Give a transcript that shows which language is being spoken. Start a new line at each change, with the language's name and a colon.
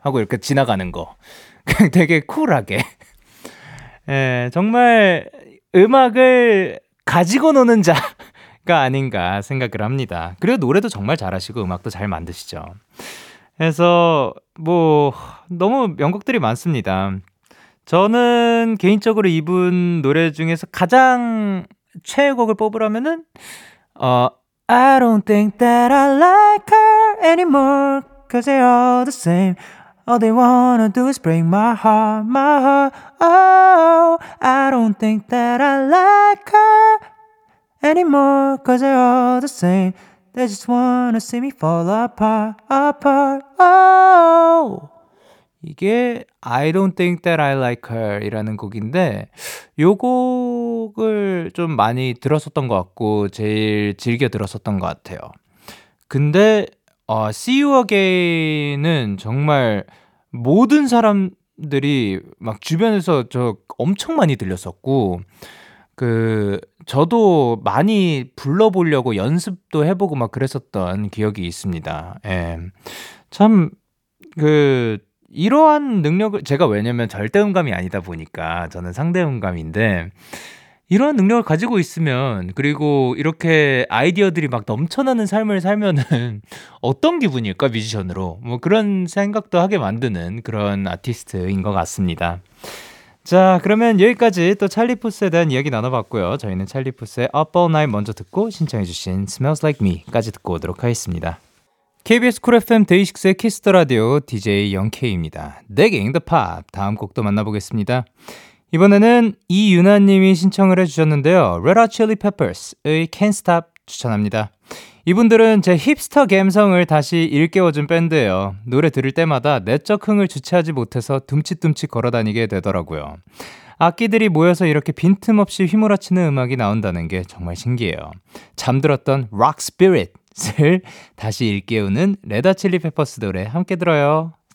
Korean: 하고 이렇게 지나가는 거 그냥 되게 쿨하게 예, 정말 음악을 가지고 노는 자 가 아닌가 생각을 합니다. 그리고 노래도 정말 잘하시고 음악도 잘 만드시죠. 그래서 뭐 너무 명곡들이 많습니다. 저는 개인적으로 이분 노래 중에서 가장 최애곡을 뽑으라면은
English: I don't think that I like her anymore cause they all the same all they wanna do is break my heart oh I don't think that I like her anymore cause they're all the same they just wanna see me fall apart oh 이게 I don't think that I like her
Korean: 이라는 곡인데 요 곡을 좀 많이 들었었던 것 같고 제일 즐겨 들었었던 것 같아요. 근데 See You Again은 정말 모든 사람 사람들이 막 주변에서 저 엄청 많이 들렸었고, 그 저도 많이 불러보려고 연습도 해보고 막 그랬었던 기억이 있습니다. 예. 참 그 이러한 능력을 제가, 왜냐면 절대음감이 아니다 보니까 저는 상대음감인데, 이러한 능력을 가지고 있으면, 그리고 이렇게 아이디어들이 막 넘쳐나는 삶을 살면은 어떤 기분일까, 뮤지션으로. 뭐 그런 생각도 하게 만드는 그런 아티스트인 것 같습니다. 자, 그러면 여기까지 또 찰리푸스에 대한 이야기 나눠봤고요. 저희는 찰리푸스의 Up All Night 먼저 듣고, 신청해주신 Smells Like Me까지 듣고 오도록 하겠습니다. KBS 쿨 FM 데이식스의 키스 더 라디오 DJ 영케이입니다. Digging the Pop. 다음 곡도 만나보겠습니다. 이번에는 이유나님이 신청을 해주셨는데요. Red Hot Chili Peppers의 Can't Stop 추천합니다. 이분들은 제 힙스터 감성을 다시 일깨워준 밴드예요. 노래 들을 때마다 내적 흥을 주체하지 못해서 둠칫둠칫 걸어다니게 되더라고요. 악기들이 모여서 이렇게 빈틈없이 휘몰아치는 음악이 나온다는 게 정말 신기해요. 잠들었던 Rock Spirit을 다시 일깨우는 Red Hot Chili Peppers 노래 함께 들어요.